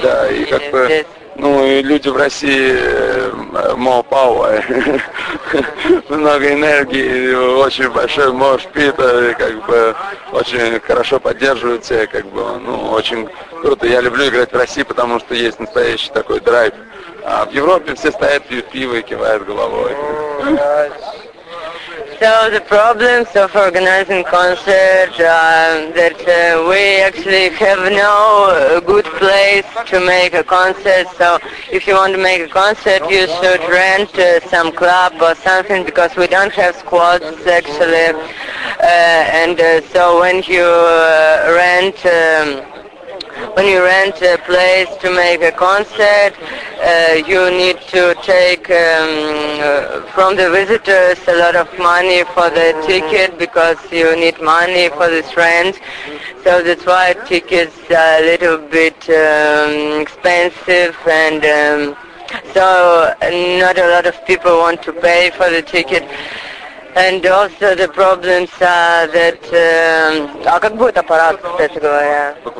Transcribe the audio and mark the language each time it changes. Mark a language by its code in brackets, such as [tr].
[ru] Да, и как бы, ну, и люди в России [en] more power, [ru] много энергии, очень большой [en] more speed, [ru] как бы очень хорошо поддерживают себя, как бы, ну, очень круто. Я люблю играть в России, потому что есть настоящий такой драйв. А в Европе все стоят, пьют пиво и кивают головой. [en] So the problems of organizing concert that we actually have no good place to make a concert. So if you want to make a concert, you should rent some club or something, because we don't have squads actually. And so when you rent when you rent a place to make a concert, you need to take from the visitors a lot of money for the ticket, because you need money for this rent. So that's why tickets are a little bit expensive, and so not a lot of people want to pay for the ticket. And also the problems are that... [ru] А как будет аппарат, кстати говоря?